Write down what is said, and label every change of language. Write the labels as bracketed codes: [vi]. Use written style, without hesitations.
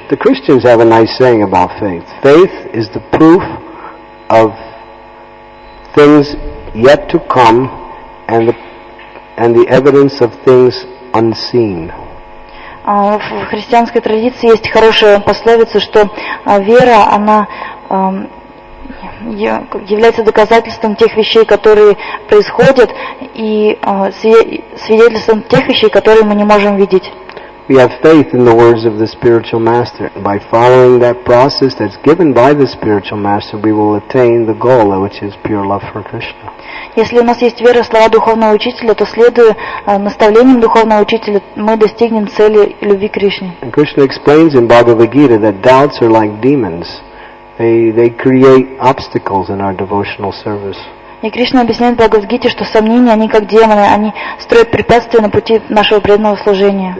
[en] The Christians have a nice saying about faith. Faith is the proof of things yet to come and the evidence of things unseen. [ru] В христианской традиции есть хорошая пословица, что вера, она является доказательством тех вещей, которые происходят, и свидетельством тех вещей, которые мы не можем видеть. [en] We have faith in the words of the spiritual master. By following that process that's given by the spiritual master, we will attain the goal, which is pure love for Krishna. [ru] Если у нас есть вера в слова духовного учителя, то следуя наставлениям духовного учителя, мы достигнем цели любви к Кришне. [en] Krishna explains in Bhagavad Gita that doubts are like demons. They create obstacles in our devotional service. [ru] И Кришна объясняет в Бхагавад Гите, что сомнения, они как демоны, они строят препятствия на пути нашего преданного служения.